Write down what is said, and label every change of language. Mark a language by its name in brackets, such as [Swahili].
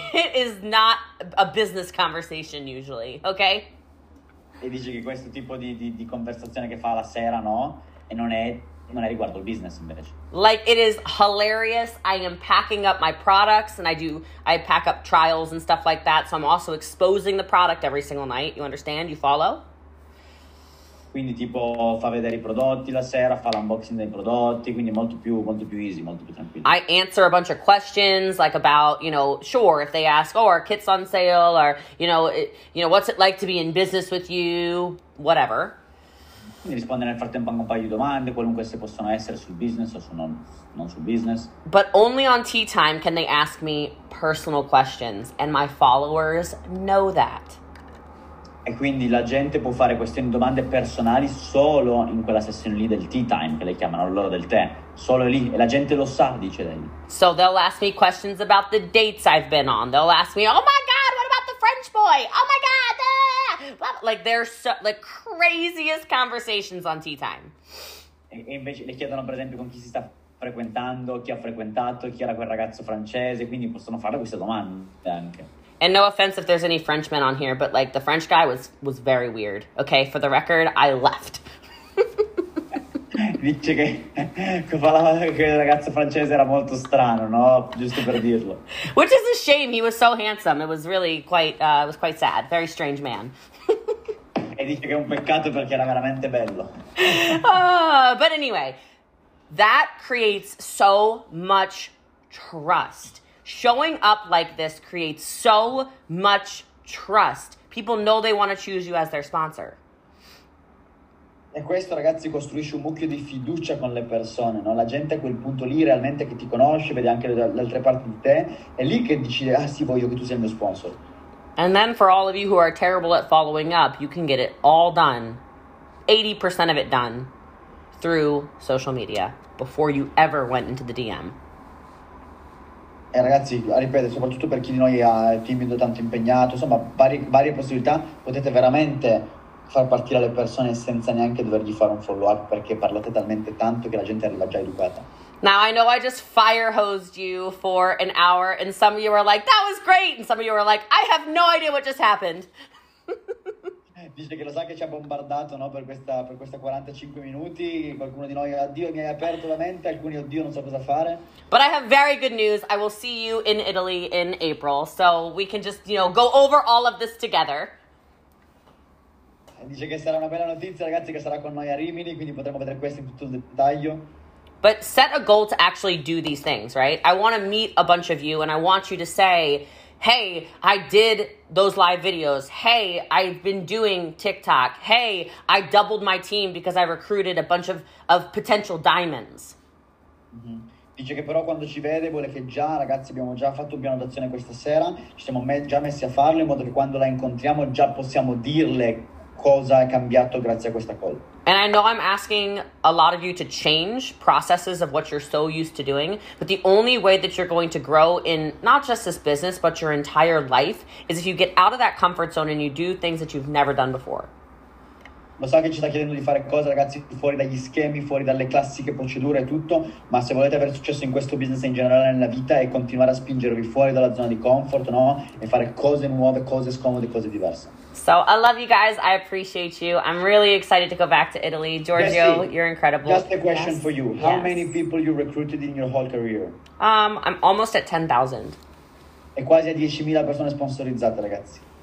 [English] It is not a business conversation usually, okay? [Italian] E dice che questo tipo di conversazione che fa la sera, no? E non è riguardo il business, invece. [English] Like, it is hilarious. I am packing up my products and I pack up trials and stuff like that. So I'm also exposing the product every single night. You understand? You follow? [Italian] quindi tipo fa vedere i prodotti la sera, fa l'unboxing dei prodotti, quindi molto più easy, molto più tranquillo. [English] I answer a bunch of questions, like about, you know, sure, if they ask, oh, are kits on sale, or, you know, what's it like to be in business with you, whatever. [Italian] Mi risponde nel frattempo anche un paio di domande, qualunque se possono essere sul business o su non sul business. [English] But only on tea time can they ask me personal questions, and my followers know that. [Italian] E quindi la gente può fare questioni, domande personali solo in quella sessione lì del tea time, che le chiamano l'ora del tè. Solo lì. E la gente lo sa, dice lei. [English] So they'll ask me questions about the dates I've been on. They'll ask me, oh my God, what about the French boy? Oh my God, ah! Like, they're so, the craziest conversations on tea time. [Italian] E invece le chiedono, per esempio, con chi si sta frequentando, chi ha frequentato, chi era quel ragazzo francese. Quindi possono fare queste domande anche. [English] And no offense if there's any Frenchmen on here, but like the French guy was very weird. Okay, for the record, I left. [Italian] Dice che il ragazzo francese era molto strano, no? Giusto per dirlo. [English] Which is a shame. He was so handsome. It was really quite sad. Very strange man. [Italian] E dice che è un peccato perché era veramente bello. [English] But anyway, that creates so much trust. Showing up like this creates so much trust. People know they want to choose you as their sponsor. [Italian] E questo, ragazzi, costruisce un mucchio di fiducia con le persone, no? La gente a quel punto lì realmente che ti conosce, vede anche le altre parti di te, è lì che decide, ah sì, voglio che tu sia il mio sponsor. [English] And then for all of you who are terrible at following up, you can get it all done, 80% of it done, through social media before you ever went into the DM. [Italian] E ragazzi, ripeto, soprattutto per chi di noi è timido, tanto impegnato, insomma, varie possibilità, potete veramente far partire le persone senza neanche dovergli fare un follow up, perché parlate talmente tanto che la gente era già educata. [English] Now I know I just fire hosed you for an hour, and some of you are like, that was great, and some of you are like, I have no idea what just happened. [Italian] Dice che lo sa che ci ha bombardato, no, per questa 45 minuti, qualcuno di noi, addio, mi hai aperto la mente, alcuni, oddio, non so cosa fare. [English] But I have very good news, I will see you in Italy in April, so we can just, you know, go over all of this together. [Italian] Dice che sarà una bella notizia, ragazzi, che sarà con noi a Rimini, quindi potremo vedere questo in tutto il dettaglio. [English] But set a goal to actually do these things, right? I want to meet a bunch of you, and I want you to say, hey, I did those live videos. Hey, I've been doing TikTok. Hey, I doubled my team because I recruited a bunch of potential diamonds. Mm-hmm. [Italian] Dice che però quando ci vede vuole che già, ragazzi, abbiamo già fatto un piano d'azione questa sera. Ci siamo già messi a farlo in modo che quando la incontriamo già possiamo dirle cosa è cambiato grazie a questa call. [English] And I know I'm asking a lot of you to change processes of what you're so used to doing, but the only way that you're going to grow in not just this business, but your entire life, is if you get out of that comfort zone and you do things that you've never done before. [Italian] Lo so che ci sta chiedendo di fare cose, ragazzi, fuori dagli schemi, fuori dalle classiche procedure e tutto, ma se volete avere successo in questo business in generale nella vita e continuare a spingervi fuori dalla zona di comfort, no? E fare cose nuove, cose scomode, cose diverse. [English] So I love you guys. I appreciate you. I'm really excited to go back to Italy. Giorgio, Jessie, you're incredible. Just a question for you. How many people you recruited in your whole career? I'm almost at 10,000. [Italian] E quasi a 10,000 persone sponsorizzate, ragazzi.